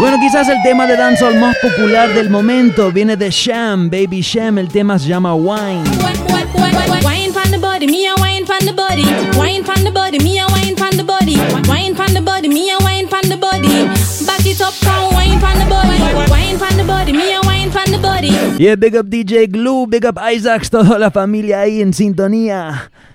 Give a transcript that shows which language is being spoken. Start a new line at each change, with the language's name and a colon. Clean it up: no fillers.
Spanish: Bueno, quizás el tema de dancehall más popular del momento viene de Sham, Baby Sham. El tema se llama Wine.
English: Wine from the body, me a wine from the body. Wine from the body, me a wine from the body. Wine from the body, me a wine from the body. Back it up from wine from the body. Wine from the body, me a wine from the body. Yeah, big up DJ Glue, big up Isaacs,
Spanish: toda la familia ahí en sintonía.